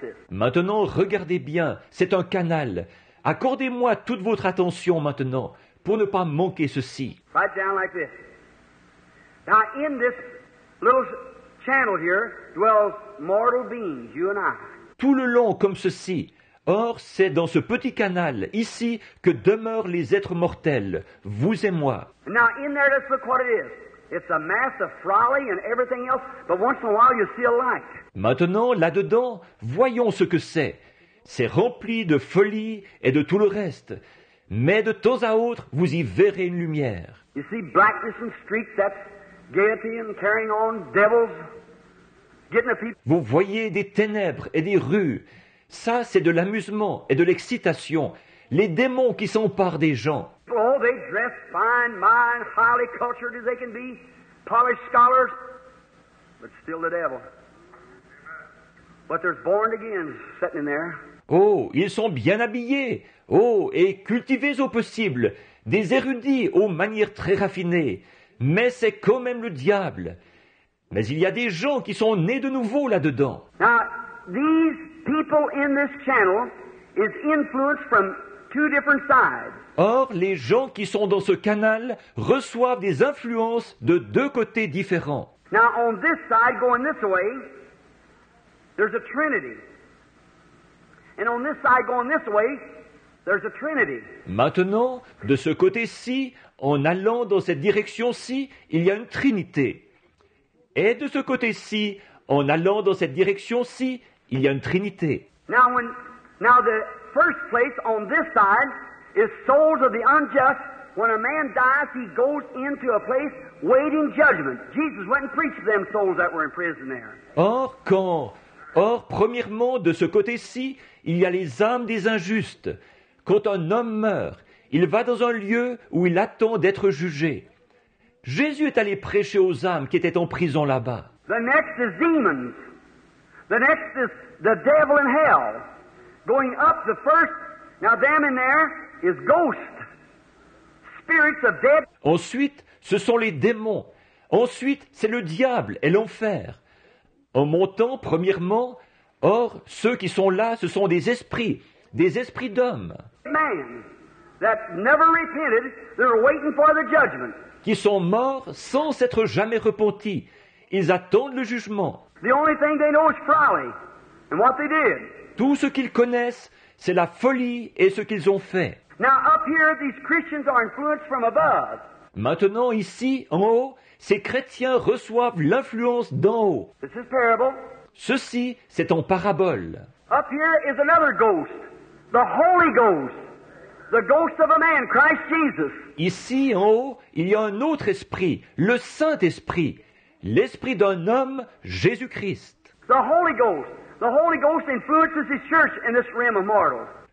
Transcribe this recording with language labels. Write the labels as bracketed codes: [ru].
[fr] Maintenant, regardez bien, c'est un canal. Accordez-moi toute votre attention maintenant, pour ne pas manquer ceci. [en] Right down like this. Now, in this little channel here, dwells mortal beings, you and I. [fr] Tout le long comme ceci. Or, c'est dans ce petit canal, ici, que demeurent les êtres mortels, vous et moi. [en] Now, in there, let's look what it is. It's a mass of frolic and everything else, but once in a while, you see a light. [fr] Maintenant, là-dedans, voyons ce que c'est. C'est rempli de folie et de tout le reste. Mais de temps à autre, vous y verrez une lumière. [en] You see blackness and streaks, that's gaiety and carrying on, devils, getting the people. [fr] Vous voyez des ténèbres et des rues. Ça, c'est de l'amusement et de l'excitation. Les démons qui s'emparent des gens. [en] Oh, they dress fine, mine, highly cultured as they can be, polished scholars, but still the devil. But there's born again sitting in there. [fr] Oh, ils sont bien habillés, oh, et cultivés au possible, des érudits aux manières très raffinées. Mais c'est quand même le diable. Mais il y a des gens qui sont nés de nouveau là-dedans. [en] Now, these people in this channel is influenced from two different sides. [fr] Or, les gens qui sont dans ce canal reçoivent des influences de deux côtés différents. [en] Now, on this side, going this way, there's a trinity. And on this side, going this way, there's a trinity. [fr] Maintenant, de ce côté-ci, en allant dans cette direction-ci, il y a une trinité. Et de ce côté-ci, en allant dans cette direction-ci, il y a une trinité. [en] Now the first place on this side is souls of the unjust. When a man dies, he goes into a place waiting judgment. Jesus went and preached to them souls that were in prison there. [fr] Or, premièrement, de ce côté-ci, il y a les âmes des injustes. Quand un homme meurt, il va dans un lieu où il attend d'être jugé. Jésus est allé prêcher aux âmes qui étaient en prison là-bas. [en] The next is demons. The next is the devil in hell. Going up the first, now them in there is ghosts, spirits of dead. [fr] Ensuite, ce sont les démons. Ensuite, c'est le diable et l'enfer. En montant, premièrement, or, ceux qui sont là, ce sont des esprits d'hommes. [en] Man that never repented, they're waiting for the judgment. [fr] Qui sont morts sans s'être jamais repentis. Ils attendent le jugement. [en] The only thing they know is folly and what they did. [fr] Tout ce qu'ils connaissent, c'est la folie et ce qu'ils ont fait. [en] Now, up here, these Christians are influenced from above. [fr] Maintenant, ici, en haut, ces chrétiens reçoivent l'influence d'en haut. [en] This is parable. [fr] Ceci, c'est en parabole. [en] Up here is another ghost, the Holy Ghost, the ghost of a man, Christ Jesus. [fr] Ici, en haut, il y a un autre esprit, le Saint-Esprit, l'esprit d'un homme, Jésus-Christ. [en] The Holy Ghost. The Holy Ghost influences His church in this realm of mortals.